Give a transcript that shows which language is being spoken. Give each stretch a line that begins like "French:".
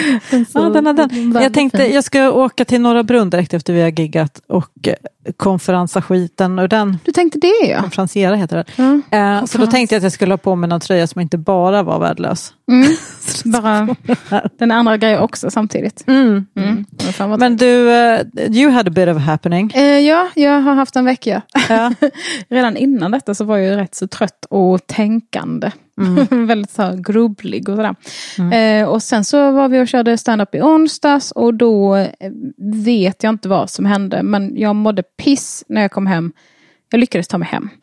Swedish: den. Jag tänkte, jag ska åka till Norra Brunn direkt efter vi har giggat och konferensa skiten och den. Du tänkte det, ja. Konferensiera heter det. Mm. Så då tänkte jag att jag skulle ha på mig någon tröja som inte bara var värdelös. Mm. Bara den andra grejen också samtidigt. Mm. Mm. Men du,
English: you had a bit of a happening.
Swedish: Ja, jag har haft en vecka. Ja. Redan innan detta så var jag ju rätt så trött och tänkande. Mm. Väldigt så grubblig och sådär. Mm. Och sen så var vi och körde stand-up i onsdags och då vet jag inte vad som hände. Men jag mådde piss när jag kom hem. Jag lyckades ta mig hem.